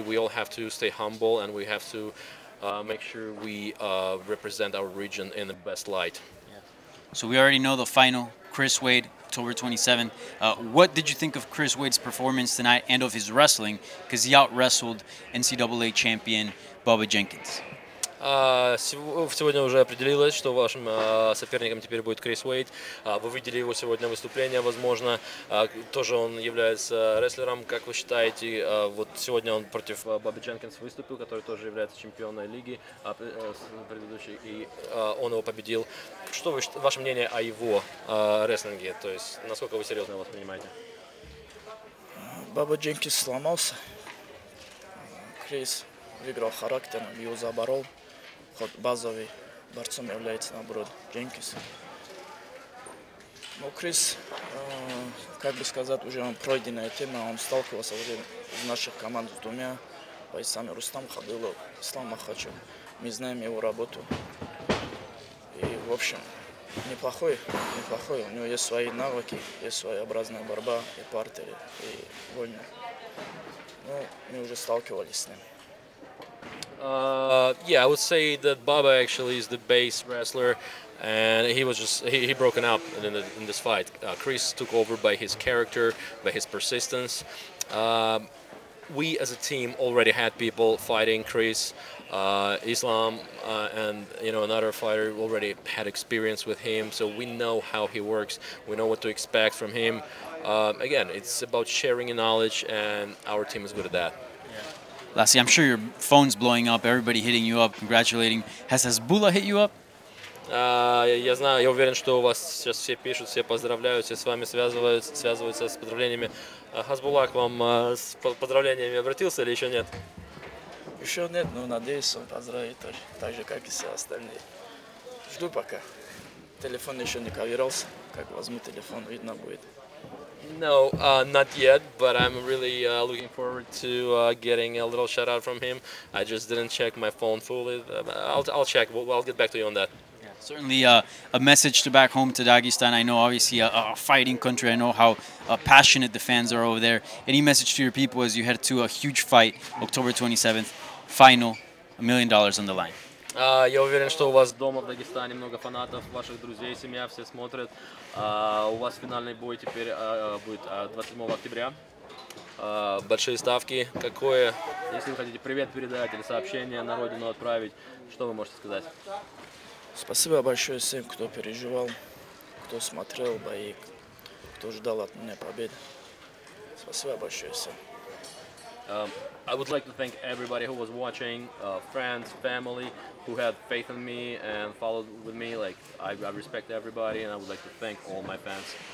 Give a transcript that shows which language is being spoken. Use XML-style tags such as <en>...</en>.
<en>We all have to stay humble and we have to make sure we represent our region in the best light. So we already know the final, Chris Wade, October 27th. What did you think of Chris Wade's performance tonight and of his wrestling? Because he out-wrestled NCAA champion Bubba Jenkins.</en> <ru>Сегодня уже определилось, что вашим соперником теперь будет Крис Уэйд. Вы видели его сегодня выступление, возможно. Тоже он является рестлером. Как вы считаете, вот сегодня он против Бобби Дженкинс выступил, который тоже является чемпионом лиги предыдущей, и он его победил. Что ваше мнение о его рестлинге? То есть, насколько вы серьезно его воспринимаете? Бобби Дженкинс сломался. Крис выиграл характер, его заборол. Ход базовый, борцом является, наоборот, Дженкинс. Ну, Крис, как бы сказать, уже он пройденная тема, он сталкивался уже в наших командах с двумя бойцами. Рустам Хабилов, Ислам Махачев. Мы знаем его работу. И, в общем, неплохой. У него есть свои навыки, есть своеобразная борьба, и партеры, и войны. Ну, мы уже сталкивались с ним.</ru> <en>Yeah, I would say that Baba actually is the base wrestler, and he was just he broken up in this fight. Chris took over by his character, by his persistence. We as a team already had people fighting Chris. Islam and you know another fighter already had experience with him, so we know how he works, we know what to expect from him. Again, it's about sharing knowledge, and our team is good at that. Yeah. Lassie, I'm sure your phone's blowing up, everybody hitting you up, congratulating. Has Hezbollah hit you up?</en> <ru>Я знаю, я уверен, что у вас сейчас все пишут, все поздравляют, все с вами связываются с поздравлениями. Хасбулла к вам с поздравлениями обратился или еще нет? Еще нет, но надеюсь, он поздравит тоже, так же, как и все остальные. Жду пока. Телефон еще не ковировался. Как возьму телефон, видно будет.</ru> <en>No, not yet, but I'm really looking forward to getting a little shout-out from him. I just didn't check my phone fully. I'll check. I'll get back to you on that. Certainly a message to back home to Dagestan. I know obviously a fighting country. I know how passionate the fans are over there. Any message to your people as you head to a huge fight, October 27th, final, $1 million on the line?</en> <ru>Я уверен, что у вас дома в Дагестане много фанатов, ваших друзей, семья, все смотрят. У вас финальный бой теперь будет 27 октября. Большие ставки. Какое? Если вы хотите привет передать или сообщение на родину отправить, что вы можете сказать? Спасибо большое всем, кто переживал, кто смотрел бои, кто ждал от меня победы. Спасибо большое всем.</ru> <en>I would like to thank everybody who was watching, friends, family, who had faith in me and followed with me. Like I respect everybody, and I would like to thank all my fans.</en>